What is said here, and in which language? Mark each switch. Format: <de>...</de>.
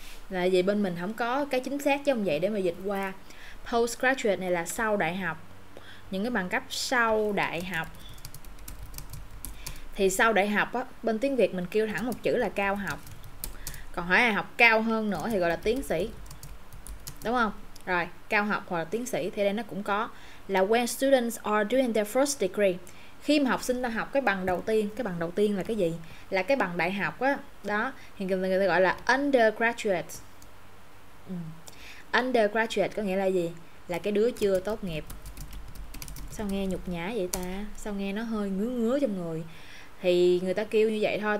<vi>Là vì bên mình không có cái chính xác giống vậy để mà dịch qua. Postgraduate này là sau đại học. Những cái bằng cấp sau đại học. Thì sau đại học á, bên tiếng Việt mình kêu thẳng một chữ là cao học. Còn hỏi ai học cao hơn nữa thì gọi là tiến sĩ. Đúng không? Rồi, cao học hoặc là tiến sĩ thì đây nó cũng có.</vi> <en>Là when students are doing their first degree.</en> <vi>Khi mà học sinh ta học cái bằng đầu tiên. Cái bằng đầu tiên là cái gì? Là cái bằng đại học á. Đó, thì người ta gọi là undergraduate. Undergraduate có nghĩa là gì? Là cái đứa chưa tốt nghiệp. Sao nghe nhục nhã vậy ta? Sao nghe nó hơi ngứa ngứa trong người? Thì người ta kêu như vậy thôi.</vi>